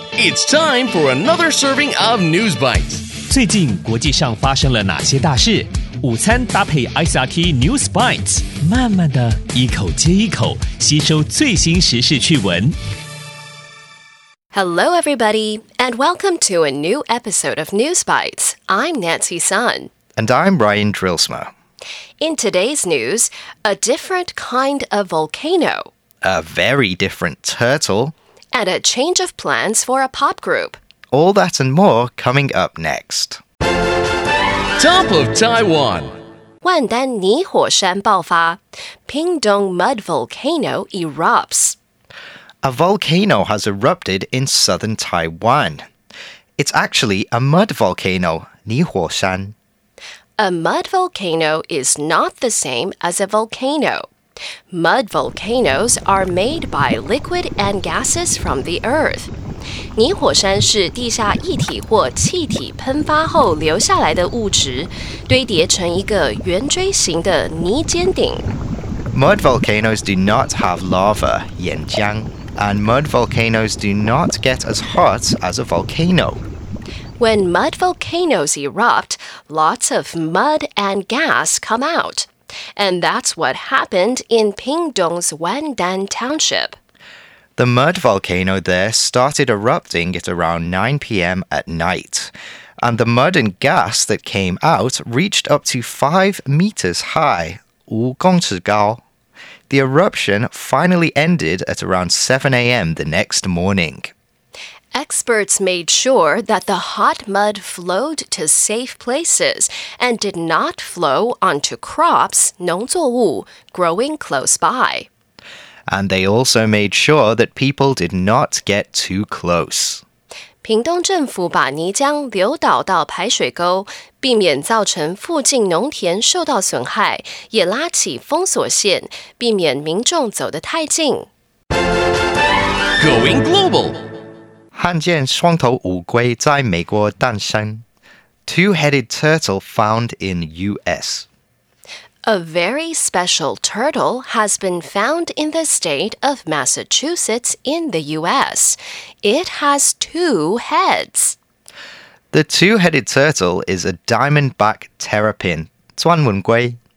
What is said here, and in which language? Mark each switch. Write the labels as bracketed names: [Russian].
[English] It's time for another serving of News Bites. [Chinese] 最近国际上发生了哪些大事？午餐搭配 ICRT News Bites， 慢慢的一口接一口，吸收最新时事趣闻。 [English] Hello, everybody, and welcome to a new episode of News Bites. I'm Nancy Sun. And I'm Ryan Drilsma. In today's news, a different kind of volcano. A very different turtle. And a change of plans for a pop group. All that and more coming up next. Top of Taiwan. [Chinese] 万丹泥火山爆发 [English] Pingdong mud volcano erupts. A volcano has erupted in southern Taiwan. It's actually a mud volcano, 泥火山. A mud volcano is not the same as a volcano. Mud volcanoes are made by liquid and gases from the earth. [Chinese] 泥火山是地下液体或气体喷发后留下来的物质，堆叠成一个圆锥形的泥尖顶. [English] Mud volcanoes do not have lava, 岩浆. And mud volcanoes do not get as hot as a volcano. When mud volcanoes erupt, lots of mud and gas come out. And that's what happened in Pingdong's Wandan Township. The mud volcano there started erupting at around 9 p.m. at night. And the mud and gas that came out reached up to 5 meters high, [Chinese] 5公尺高。 [English] The eruption finally ended at around 7 a.m. the next morning. Experts made sure that the hot mud flowed to safe places and did not flow onto crops, 农作物, growing close by. And they also made sure that people did not get too close. [Chinese] 屏东政府把泥浆流导到排水沟，避免造成附近农田受到损害，也拉起封锁线，避免民众走得太近。 [English] Going global， [Chinese] 罕见双头乌龟在美国诞生。 [English] Two-headed turtle found in U.S. A very special turtle has been found in the state of Massachusetts in the U.S. It has two heads. The two-headed turtle is a diamondback terrapin, 钻文龟.